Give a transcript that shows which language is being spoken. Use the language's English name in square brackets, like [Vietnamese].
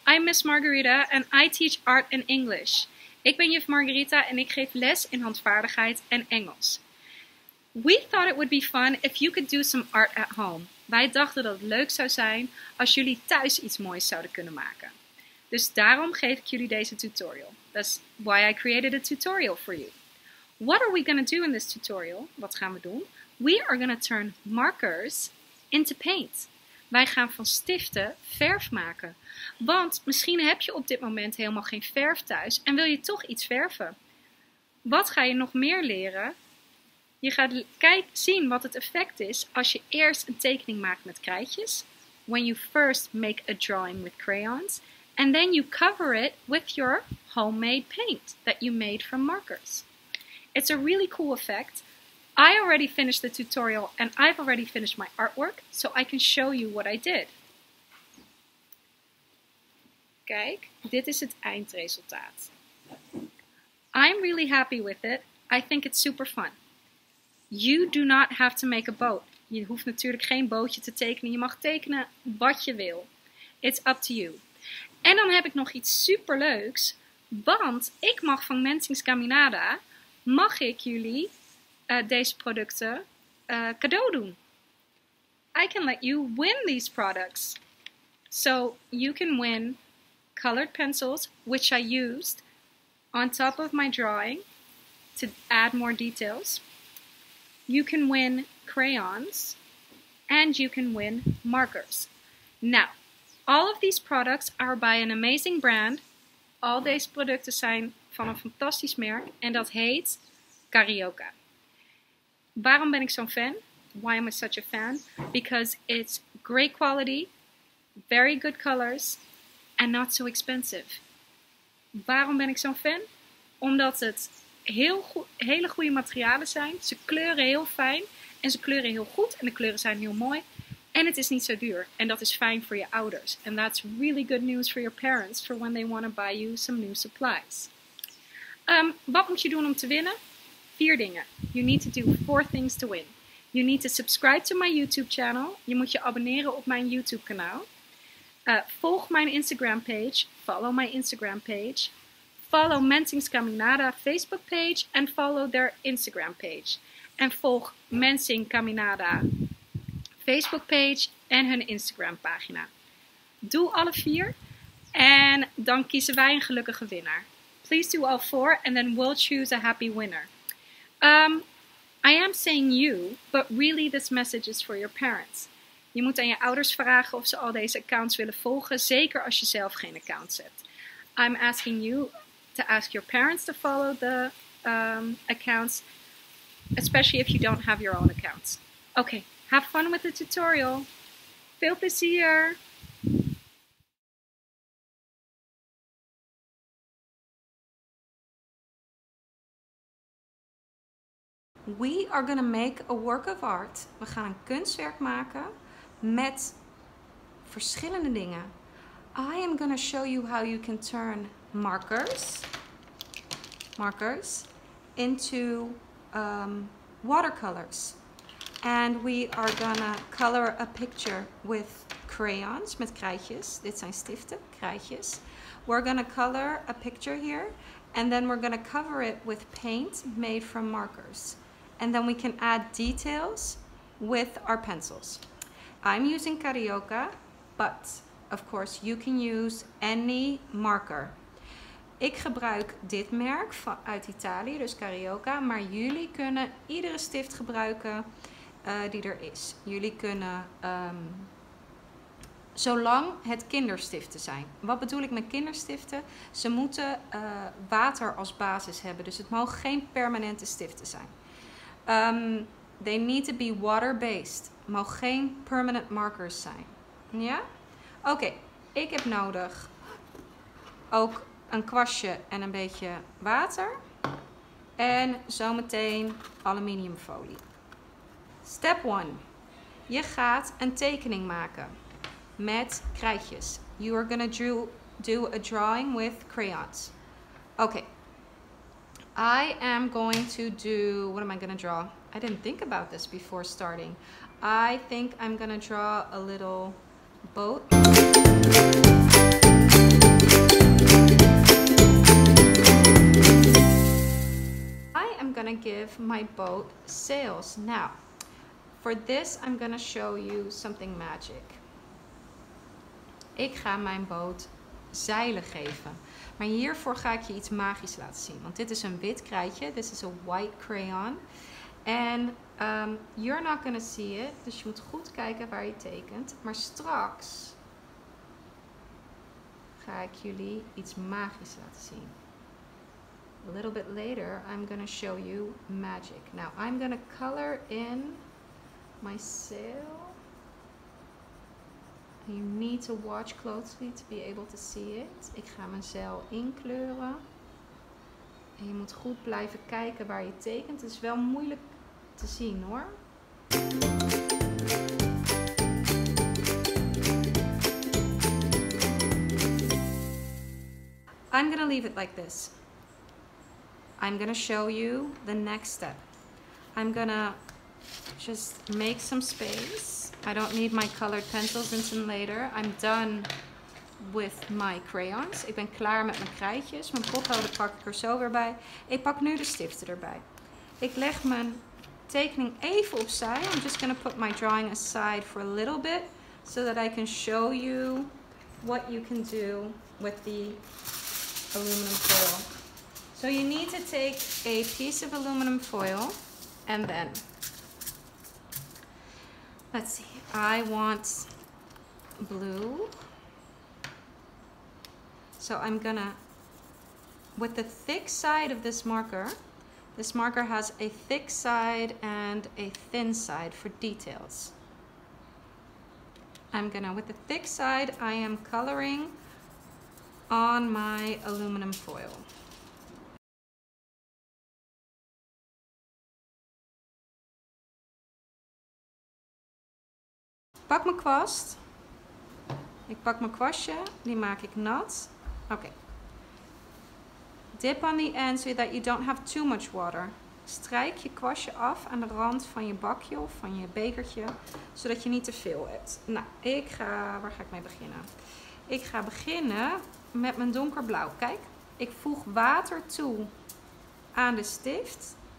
[English] I'm Miss Margarita and I teach art and English. [Dutch] Ik ben juf Margarita en ik geef les in handvaardigheid en Engels. [English] We thought it would be fun if you could do some art at home. [Dutch] Wij dachten dat het leuk zou zijn als jullie thuis iets moois zouden kunnen maken. Dus daarom geef ik jullie deze tutorial. [English] That's why I created a tutorial for you. What are we going to do in this tutorial? [Dutch] Wat gaan we doen? [English] We are going to turn markers into paint. [Dutch] Wij gaan van stiften verf maken. Want misschien heb je op dit moment helemaal geen verf thuis en wil je toch iets verven. Wat ga je nog meer leren? Je gaat zien wat het effect is als je eerst een tekening maakt met krijtjes. [English] When you first make a drawing with crayons. And then you cover it with your homemade paint that you made from markers. It's a really cool effect. I already finished the tutorial and I've already finished my artwork, so I can show you what I did. [Dutch] Kijk, dit is het eindresultaat. [English] I'm really happy with it. I think it's super fun. You do not have to make a boat. [Dutch] Je hoeft natuurlijk geen bootje te tekenen. Je mag tekenen wat je wil. [English] It's up to you. [Dutch] En dan heb ik nog iets super leuks, want ik mag van Mensings Caminada, mag ik jullie deze producten cadeau doen. [English] I can let you win these products. So you can win colored pencils, which I used on top of my drawing to add more details. You can win crayons and you can win markers. Now, all of these products are by an amazing brand. [Dutch] Al deze producten zijn van een fantastisch merk en dat heet Carioca. Waarom ben ik zo'n fan? [English] Why am I such a fan? Because it's great quality, very good colors, and not so expensive. [Dutch] Waarom ben ik zo'n fan? Omdat het hele goede materialen zijn. Ze kleuren heel fijn en ze kleuren heel goed en de kleuren zijn heel mooi. En het is niet zo duur. En dat is fijn voor je ouders. [English] And that's really good news for your parents for when they want to buy you some new supplies. [Dutch] Wat moet je doen om te winnen? Vier dingen. [English] You need to do four things to win. You need to subscribe to my YouTube channel. [Dutch] Je moet je abonneren op mijn YouTube kanaal. Volg mijn Instagram page. [English] Follow my Instagram page. Follow Mensings Caminada Facebook page. And follow their Instagram page. [Dutch] En volg Mensing Caminada Facebook page en hun Instagram pagina. Doe alle vier. En dan kiezen wij een gelukkige winnaar. [English] Please do all four and then we'll choose a happy winner. I am saying you, but really this message is for your parents. [Dutch] Je moet aan je ouders vragen of ze al deze accounts willen volgen, zeker als je zelf geen accounts hebt. [English] I'm asking you to ask your parents to follow the accounts, especially if you don't have your own accounts. Okay, have fun with the tutorial. [Dutch] Veel plezier! [English] We are going to make a work of art. [Dutch] We gaan een kunstwerk maken met verschillende dingen. [English] I am going to show you how you can turn markers into watercolors. And we are going to color a picture with crayons, [Dutch] met krijtjes. Dit zijn stiften, krijtjes. [English] We're going to color a picture here. And then we're going to cover it with paint made from markers. And then we can add details with our pencils. I'm using Carioca, but of course you can use any marker. [Dutch] Ik gebruik dit merk uit Italië, dus Carioca. Maar jullie kunnen iedere stift gebruiken die er is. Jullie kunnen zolang het kinderstiften zijn. Wat bedoel ik met kinderstiften? Ze moeten water als basis hebben, dus het mogen geen permanente stiften zijn. [English] They need to be water-based. [Dutch] Mogen geen permanent markers zijn. Ja? Oké, ik heb nodig ook een kwastje en een beetje water. En zometeen aluminiumfolie. [English] Step 1. [Dutch] Je gaat een tekening maken met krijtjes. [English] You are going to do a drawing with crayons. Oké. I am going to do, what am I going to draw? I didn't think about this before starting. I think I'm going to draw a little boot. I am gonna give my boat sails. Now, for this I'm gonna show you something magic. [Dutch] Ik ga mijn boot zeilen geven. Maar hiervoor ga ik je iets magisch laten zien. Want dit is een wit krijtje. [English] This is a white crayon. En you're not gonna see it. [Dutch] Dus je moet goed kijken waar je tekent. Maar straks ga ik jullie iets magisch laten zien. [English] A little bit later, I'm gonna show you magic. Now, I'm gonna color in my sail. You need to watch closely to be able to see it. [Dutch] Ik ga mijn zeil inkleuren. En je moet goed blijven kijken waar je tekent. Het is wel moeilijk te zien hoor. [English] I'm gonna leave it like this. I'm gonna show you the next step. I'm gonna just make some space. I don't need my colored pencils until later. I'm done with my crayons. [Dutch] Ik ben klaar met mijn krijtjes. Mijn potloden pak ik er zo weer bij. Ik pak nu de stiften erbij. Ik leg mijn tekening even opzij. [English] I'm just gonna put my drawing aside for a little bit. So that I can show you what you can do with the aluminum foil. So you need to take a piece of aluminum foil. And then... let's see, I want blue, so I'm gonna, with the thick side of this marker has a thick side and a thin side for details. I'm gonna, with the thick side, I am coloring on my aluminum foil. [Dutch] Pak mijn kwast. Ik pak mijn kwastje. Die maak ik nat. Oké. [English] Dip on the end so that you don't have too much water. [Dutch] Strijk je kwastje af aan de rand van je bakje of van je bekertje. Zodat je niet te veel hebt. Nou, ik ga... waar ga ik mee beginnen? Ik ga beginnen met mijn donkerblauw. Kijk, ik voeg water toe aan de stift.